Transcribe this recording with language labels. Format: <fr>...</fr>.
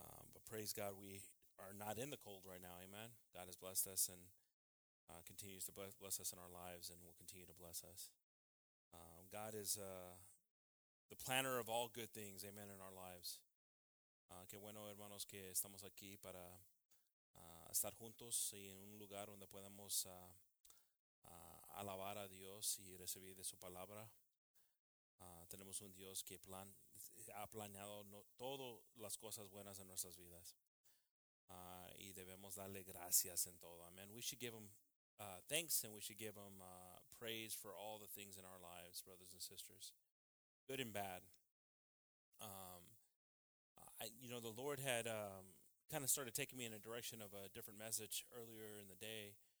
<en>But praise God, we are not in the cold right now, amen. God has blessed us and continues to bless us in our lives and will continue to bless us. God is the planner of all good things, amen, in our lives.</en> <es>Qué bueno, hermanos, que estamos aquí para estar juntos y en un lugar donde podemos alabar a Dios y recibir de su palabra. Tenemos un Dios que ha planeado todas las cosas buenas en nuestras vidas. Y debemos darle gracias en todo. Amen.</es> <en>We should give him thanks and we should give him praise for all the things in our lives, brothers and sisters. Good and bad. The Lord had kind of started taking me in a direction of a different message earlier in the day.</en>